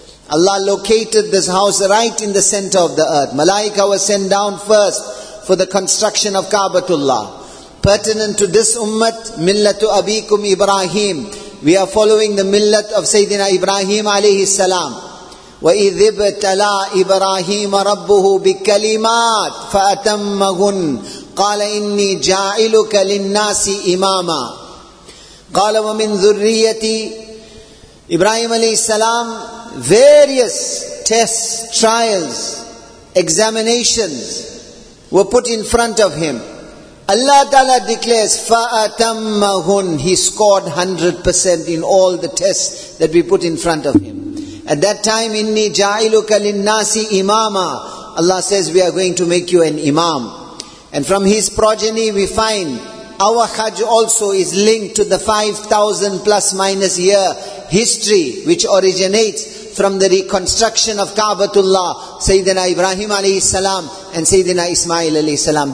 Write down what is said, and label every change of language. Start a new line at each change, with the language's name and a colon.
English: Allah located this house right in the center of the earth. Malaika was sent down first for the construction of Ka'batullah. Pertinent to this ummat, Millatu Abikum Ibrahim, We are following the millat of Sayyidina Ibrahim alayhi salam.
Arabic: وَإِذْ ابْتَلَى إِبْرَاهِيمَ رَبُّهُ بِكَلِمَاتٍ فَأَتَمَّهُنْ قَالَ إِنِّي جَاعِلُكَ لِلنَّاسِ إِمَامًا قَالَ وَمِنْ ذُرِّيَّتِي
English: Ibrahim alayhi salam, various tests, trials, examinations were put in front of him. Allah Ta'ala declares, فَأَتَمَّهُنْ He scored 100% in all the tests that we put in front of him. At that time,
Arabic: إِنِّي جَاعِلُكَ لِلنَّاسِ إِمَامًا
English: Allah says, we are going to make you an imam. And from his progeny, we find our Hajj also is linked to the 5,000 plus minus year history which originates from the reconstruction of Ka'batullah, Sayyidina Ibrahim alayhi salam and Sayyidina Ismail alayhi salam.